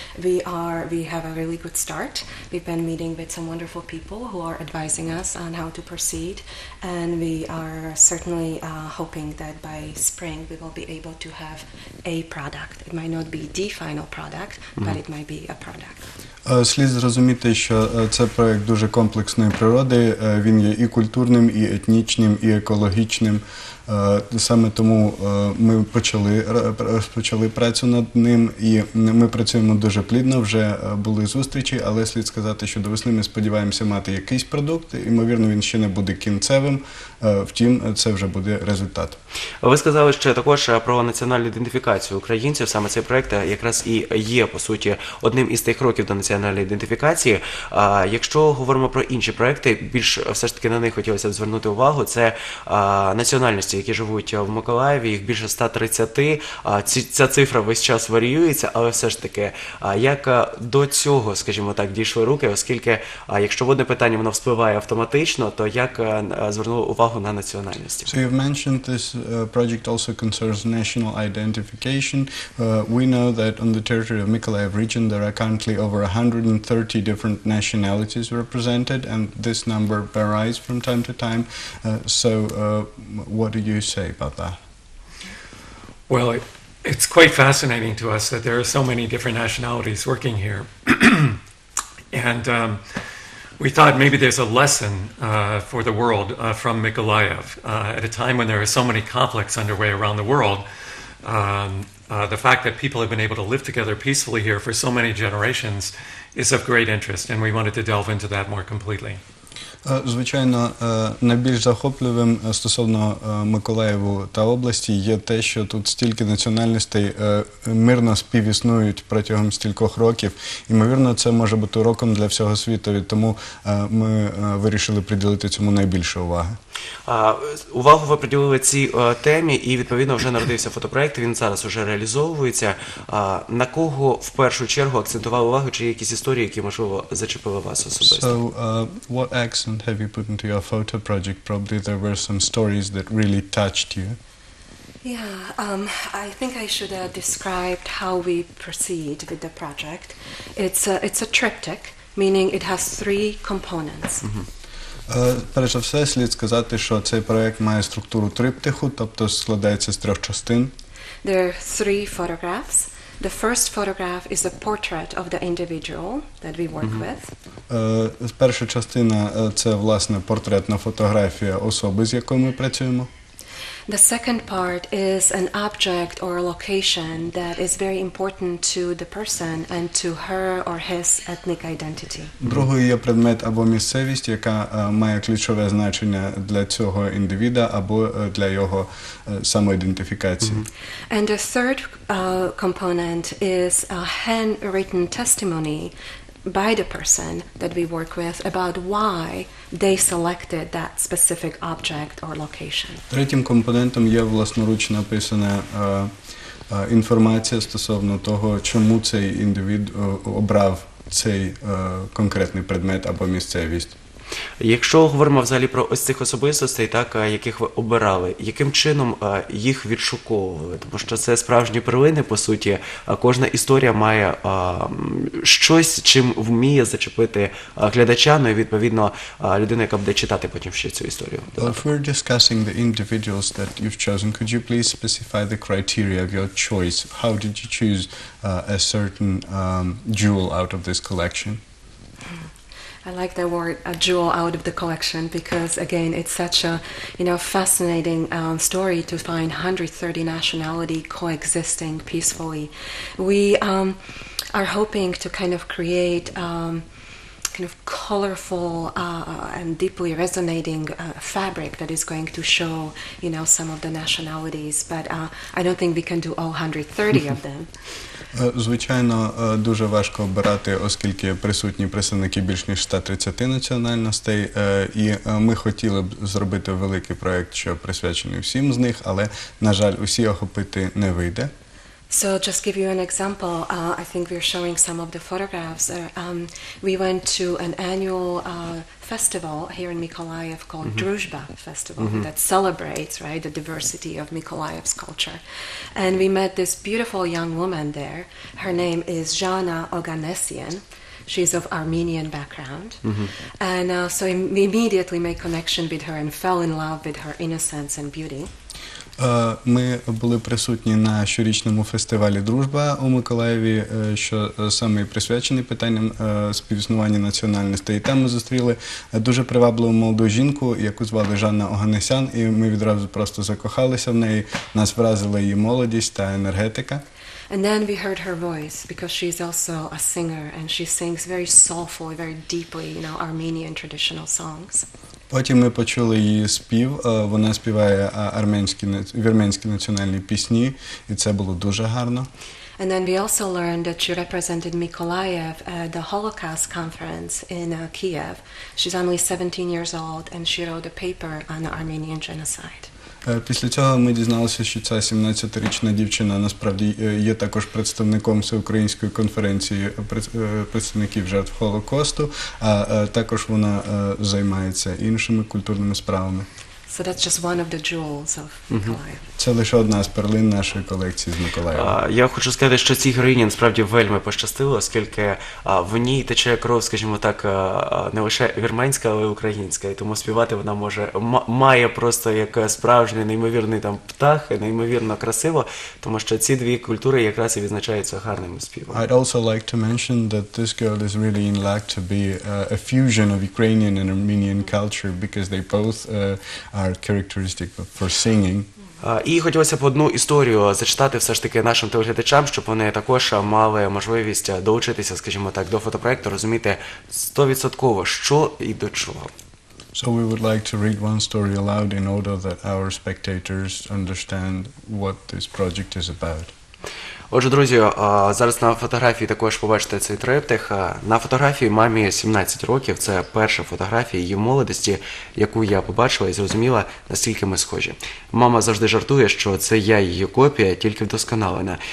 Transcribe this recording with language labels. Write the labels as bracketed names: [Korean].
[English] We have a really good start. We've been meeting with some wonderful people who are advising us on how to proceed, and we are certainly hoping that by spring we will be able to have a product. It might not be the final product, but it might be a product. [Ukrainian] Слід зрозуміти, що це проект дуже комплексної природи, він є і культурним, і етнічним, і екологічним. Саме тому ми розпочали працю над ним, і ми працюємо дуже плідно, вже були зустрічі, але слід сказати, що до весни ми сподіваємося мати якийсь продукт, ймовірно, він ще не буде кінцевим, втім, це вже буде результат. Ви сказали ще також про національну ідентифікацію українців, саме цей проект якраз і є, по суті, одним із тих кроків до національної ідентифікації. Якщо говоримо про інші проекти, більш все ж таки на них хотілося б звернути увагу, це національність, які живуть в Миколаєві, їх більше 130, ця цифра весь час варіюється, але все ж таки, як до цього, скажімо так, дійшли руки, оскільки, якщо водне питання, воно вспливає автоматично, то як звернули увагу на національності? [English] So you've mentioned this project also concerns national identification. We know that on the territory of Miколаїв region there are currently over 130 different nationalities represented, and this number varies from time to time. What do you say about that? Well, it's quite fascinating to us that there are so many different nationalities working here. And we thought maybe there's a lesson for the world from Miколаїв. At a time when there are so many conflicts underway around the world, the fact that people have been able to live together peacefully here for so many generations is of great interest, and we wanted to delve into that more completely. [Ukrainian] Звичайно, найбільш захопливим стосовно Миколаєву та області є те, що тут стільки національностей мирно співіснують протягом стількох років. Ймовірно, це може бути уроком для всього світу, і тому ми вирішили приділити цьому найбільше уваги. Увагу ви приділили цій темі, і відповідно вже народився фотопроект, він зараз вже реалізовується. На кого в першу чергу акцентували увагу, чи є якісь історії, які, можливо, зачепили вас особисто? [English] So, what accent have you put into your photo project? Probably there were some stories that really touched you. Yeah, I think I should have described how we proceed with the project. It's a triptych, meaning it has three components. Mm-hmm. [Ukrainian] Перш за все, слід сказати, що цей проект має структуру триптиху, тобто складається з трьох частин. [English] There are three photographs. The first photograph is a portrait of the individual that we work with. [Ukrainian] Перша частина – це, власне, портретна фотографія особи, з якою ми працюємо. [English] The second part is an object or a location that is very important to the person and to her or his ethnic identity. [Ukrainian] Другий є предмет або місцевість, яка має ключове значення для цього індивіда або для його самоідентифікації. [English] And the third component is a handwritten testimony by the person that we work with about why they selected that specific object or location. [Ukrainian] Третім компонентом є власноруч написана інформація стосовно того, чому цей індивід обрав цей конкретний предмет або місцевість. Якщо говоримо взагалі про ось цих особистостей, так, яких ви обирали, яким чином їх відшуковували? Тому що це справжні первини, по суті, кожна історія має щось, чим вміє зачепити глядача, ну і відповідно людина, яка буде читати потім ще цю історію. [English] If we're discussing the individuals that you've chosen, could you please specify the criteria of your choice? How did you choose a certain jewel out of this collection? I like the word a jewel out of the collection because, again, it's such a, you know, fascinating story to find 130 nationality coexisting peacefully. We are hoping to kind of create kind of colorful and deeply resonating fabric that is going to show, you know, some of the nationalities. But I don't think we can do all 130 of them. [Ukrainian] Звичайно, дуже важко обирати, оскільки присутні представники більш ніж 130 національностей, і ми хотіли б зробити великий проект, що присвячений всім з них, але, на жаль, усі охопити не вийде. [English] So just give you an example, I think we're showing some of the photographs. We went to an annual festival here in Miколаїв called Дружба Festival that celebrates, right, the diversity of Miколаїв's culture. And we met this beautiful young woman there. Her name is Жанна Оганесіан. She's of Armenian background. And so we immediately made connection with her and fell in love with her innocence and beauty. [Ukrainian] Ми були присутні на щорічному фестивалі «Дружба» у Миколаєві, що саме присвячений питанням співіснування національностей. Там ми зустріли дуже привабливу молоду жінку, яку звали Жанна Оганесян, і ми відразу просто закохалися в неї. Нас вразила її молодість та енергетика. [English] And then we heard her voice because she's also a singer and she sings very soulful, very deeply, you know, Armenian traditional songs. [Ukrainian] Потім ми почули її спів. Вона співає вірменські національні пісні, і це було дуже гарно. [English] And then we also learned that she represented Miколаїв at the Holocaust conference in Kiev. She's only 17 years old and she wrote a paper on the Armenian genocide. [Ukrainian] Після цього ми дізналися, що ця 17-річна дівчина насправді є також представником всеукраїнської конференції представників жертв Холокосту, а також вона займається іншими культурними справами. [English] So that's just one of the jewels of Миколаїв. [Ukrainian] Це лише одна з перлин нашої колекції з Миколаєва. Я хочу сказати, що цій героїні насправді вельми пощастило, оскільки в ній тече кров, скажімо так, не лише вірменська, але й українська. І тому співати вона може має просто як справжній неймовірний там птах, неймовірно красиво, тому що ці дві культури якраз і відзначаються гарним співом. [English] I'd also like to mention that this girl is really in luck to be a fusion of Ukrainian and Armenian culture because they both are characteristic for singing. [Ukrainian] І хотілося б одну історію зачитати все ж таки нашим телеглядачам, щоб вони також мали можливість долучитися, скажімо так, до фотопроекту, розуміти 100% що і до чого. [English] So we would like to read one story aloud in order that our spectators understand what this project is about. [Ukrainian] Отже, друзі, зараз на фотографії також побачите цей триптих. На фотографії мамі 17 років. Це перша фотографія її молодості, яку я побачила і зрозуміла, наскільки ми схожі. Мама завжди жартує, що це я її копія, тільки вдосконалена.